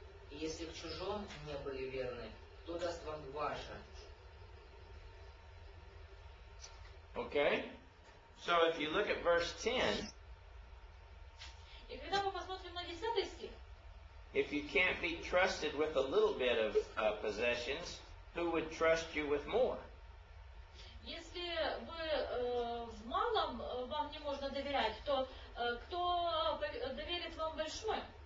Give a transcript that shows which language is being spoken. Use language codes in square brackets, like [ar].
[ru] Если в чужом не были верны, кто даст вам ваше? [en] Okay. So if you look at verse 10, [ru] и когда мы посмотрим на 10 стих, [en] if you can't be trusted with a little bit of possessions, who would trust you with more? [ru] Если вы в малом вам не можно доверять, то кто доверит вам большое?